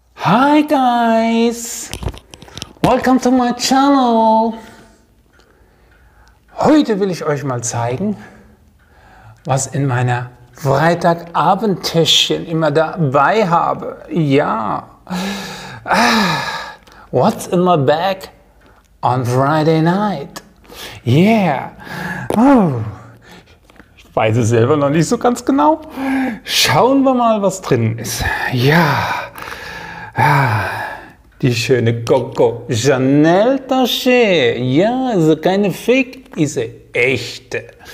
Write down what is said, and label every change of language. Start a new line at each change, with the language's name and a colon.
English: Hi guys, welcome to my channel.
German: Heute will ich euch mal zeigen, was in meiner Freitagabendtäschchen immer dabei habe.
English: Ja, what's in my bag on Friday night? Yeah, oh.
German: Ich weiß es selber noch nicht so ganz genau. Schauen wir mal, was drin ist. Ja. Die schöne Coco Chanel Tasche. Ja, also keine Fake, diese echte.